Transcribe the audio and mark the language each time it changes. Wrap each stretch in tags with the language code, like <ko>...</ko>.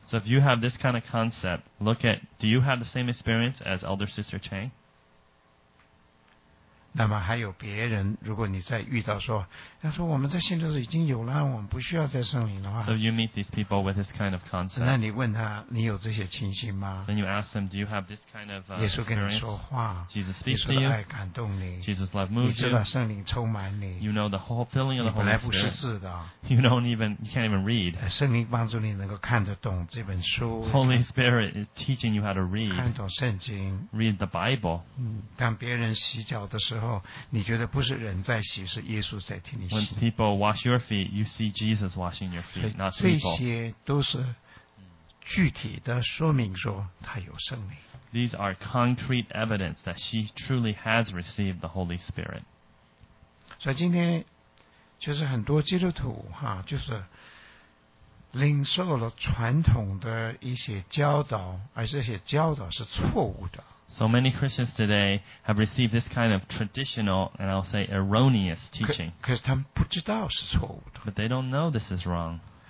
<en>So if you have this kind of concept, look at, do you have the same experience as elder sister Chang?</en> <zh>那么还有别人，如果你再遇到说，他说我们在信徒已经有了，我们不需要再圣灵的话。</zh> <en>So you meet these people with this kind of concept.</en> <zh>那你问他，你有这些情形吗</zh> <en>？Then you ask them, do you have this kind of experience?</en> <zh>耶稣跟你说话</zh> <en>，Jesus speaks to you.</en> <zh>耶稣的爱感动你</zh> <en>，Jesus love moves you.</en> <zh>你知道圣灵充满你</zh> <en>，You know the whole filling of the Holy Spirit.</en> <zh>你本来不识字的</zh> <en>，You don't even, you can't even read.</en> <zh>圣灵帮助你能够看得懂这本书</zh> <en>，Holy Spirit is teaching you how to read.</en> <zh>看懂圣经</zh> <en>，Read the Bible.</en> <zh>嗯，当别人洗脚的时候。你觉得不是人在洗，是耶稣在替你洗。</zh> <en>When people wash your feet, you see Jesus washing your feet, not people.</en> <zh>这些都是具体的说明说他有圣灵。</zh> <en>These are concrete evidence that she truly has received the Holy Spirit.</en> <zh>所以今天就是很多基督徒哈，就是领受了传统的一些教导，而这些教导是错误的。</zh> <en>So many Christians today have received this kind of traditional, and I'll say erroneous teaching. But they don't know this is wrong.</en>